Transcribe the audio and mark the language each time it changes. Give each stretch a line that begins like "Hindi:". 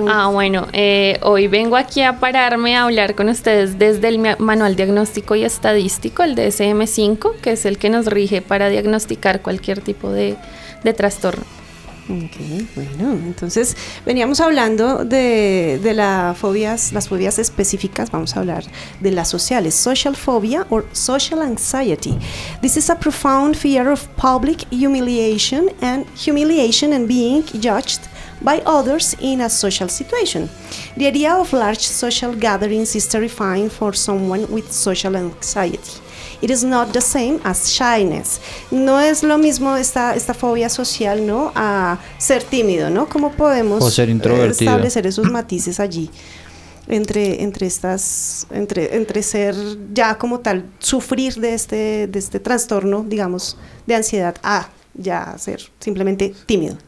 Spanish: Ah, bueno, hoy vengo aquí a pararme a hablar con ustedes desde el manual diagnóstico y estadístico, el DSM-5, que es el que nos rige para diagnosticar cualquier tipo de trastorno. Ok, bueno, entonces veníamos hablando de las fobias específicas. Vamos a hablar de las sociales.
English: Social phobia or social anxiety. This is a profound fear of public humiliation and being judged by others in a social situation. The idea of large social gatherings is terrifying for someone with social anxiety. It is not the same as shyness.
Spanish: No es lo mismo esta fobia social, ¿no?, a ser tímido, ¿no? ¿Cómo podemos establecer esos matices allí entre ser ya como tal, sufrir de este trastorno, digamos, de ansiedad, a ya ser simplemente tímido?